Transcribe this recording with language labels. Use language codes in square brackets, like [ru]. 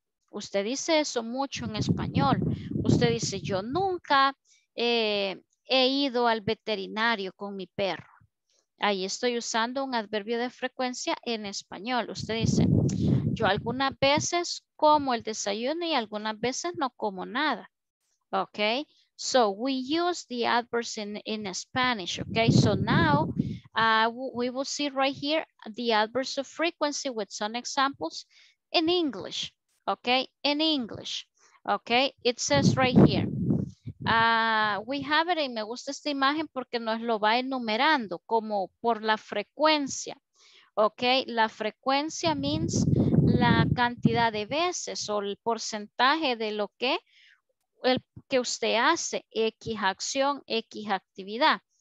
[es] Usted dice eso mucho en español. Usted dice, yo nunca he ido al veterinario con mi perro. Ahí estoy usando un adverbio de frecuencia en español. Usted dice, yo algunas veces como el desayuno y algunas veces no como nada. [en] Ok, so we use the adverbs in Spanish. Ok, so now we will see right here the adverbs of frequency with some examples in English. Ok, in English. Ok, it says right here. [es] We have it, y me gusta esta imagen porque nos lo va enumerando como por la frecuencia. Ok, la frecuencia means la cantidad de veces o el porcentaje de lo que usted hace, X acción, X actividad.